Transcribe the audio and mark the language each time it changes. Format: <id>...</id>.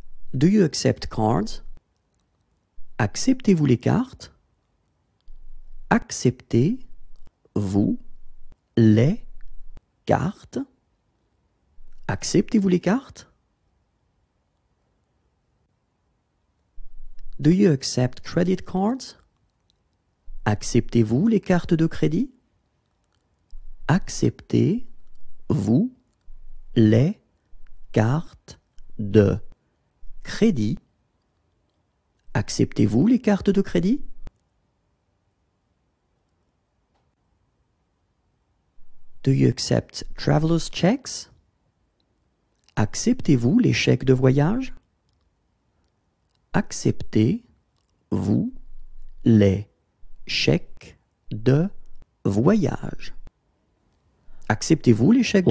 <en>Do you accept cards?</en> <fr>Acceptez-vous les cartes? Acceptez-vous les cartes? Acceptez-vous les cartes?</fr> <en>Do you accept credit cards?</en> <fr>Acceptez-vous les cartes de crédit? Acceptez-vous les cartes de crédit? Acceptez-vous les cartes de crédit?</fr> <en>Do you accept traveler's checks?</en> <fr>Acceptez-vous les chèques de voyage? Acceptez-vous les chèques de voyage? Acceptez-vous les chèques de</fr>